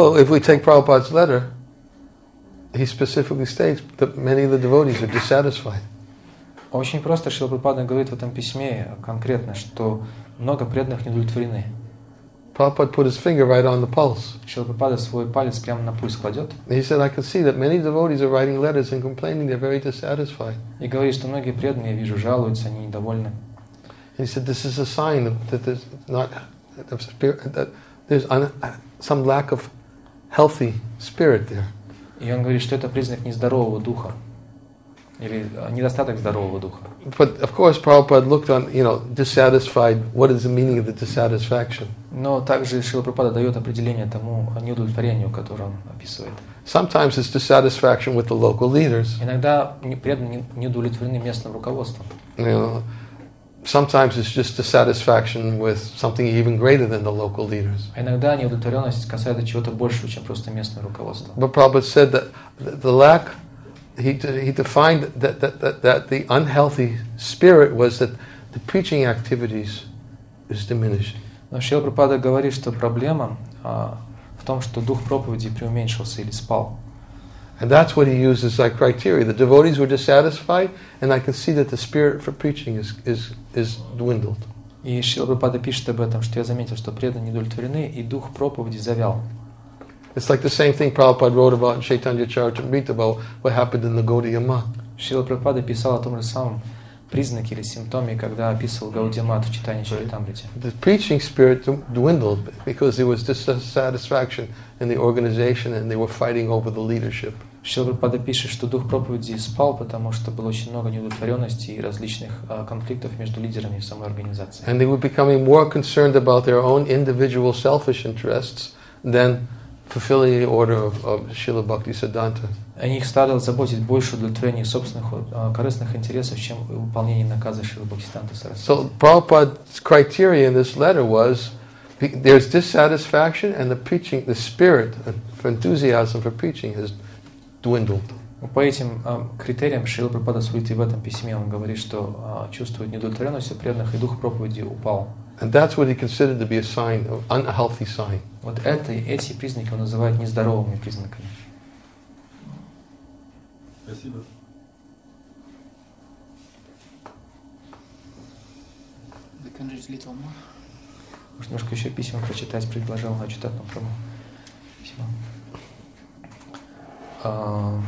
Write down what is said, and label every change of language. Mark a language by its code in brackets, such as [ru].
[en] Well, if we take Prabhupada's letter, he specifically states that many of the devotees are dissatisfied. [ru] Очень просто, Шрила Прабхупада говорит в этом письме конкретно, что много преданных не удовлетворены. [en] Prabhupada put his finger right on the pulse. [ru] Шрила Прабхупада свой палец прямо на пульс кладет. [en] He said, I can see that many devotees are writing letters and complaining, they're very dissatisfied. [ru] И говорит, что многие преданные, я вижу, жалуются, они недовольны. [en] He said, this is a sign that there's not that there's some lack of healthy spirit there. [ru] И он говорит, что это признак нездорового духа. Или недостаток здорового духа. [en] But of course, Prabhupada looked on, you know, dissatisfied. What is the meaning of the dissatisfaction? [ru] Но также Шрила Прабхупада дает определение тому неудовлетворению, которое он описывает. [en] Sometimes it's dissatisfaction with the local leaders. [ru] Иногда преданные неудовлетворены местным руководством. [en] You know, sometimes it's just dissatisfaction with something even greater than the local leaders. [ru] Иногда неудовлетворенность касается чего-то большего, чем просто местное руководство. [en] But Prabhupada said that the lack. He defined that the unhealthy spirit was that the preaching activities is diminished. [ru] Но Шрила Прабхупада говорит, что проблема в том, что дух проповеди преуменьшился или спал. [en] And that's what he uses as a criteria. The devotees were dissatisfied, and I can see that the spirit for preaching is dwindled. [ru] И Шрила Прабхупада пишет об этом, что я заметил, что преданные недовольны, и дух проповеди завял. [en] It's like the same thing Prabhupada wrote about in Chaitanya Charitamrita about what happened in the Gaudiya Math. [ru] Шрила Прабхупада писал о том же самом признаке или симптоме, когда описывал Гаудия Мат в Чайтанье Чаритамрите. [en] The preaching spirit dwindled because there was dissatisfaction in the organization and they were fighting over the leadership. [ru] Шрила Прабхупада пишет, что дух проповеди спал, потому что было очень много неудовлетворенности и различных конфликтов между лидерами самой организации. [en] And they were becoming more concerned about their own individual selfish interests than fulfilling the order of Srila Bhakti Siddhanta. [ru] Они стали заботиться больше о удовлетворении собственных корыстных интересов, чем выполнение наказа Шрилы Бхактисиддханты Сарасвати. [en] So Prabhupada's criteria in this letter was there's dissatisfaction and the preaching, the spirit, the enthusiasm for preaching has dwindled. [ru] По этим критериям Шрила Прабхупада судит и в этом письме. Он говорит, что чувствует неудовлетворенность преданных и дух проповеди упал. [en] And that's what he considered to be a sign, an unhealthy sign. [ru] Вот эти признаки он называет нездоровыми признаками. Спасибо. [en] We can read a little more. [ru] Может, немножко еще письма прочитать, предложил Ачутатма Прабху.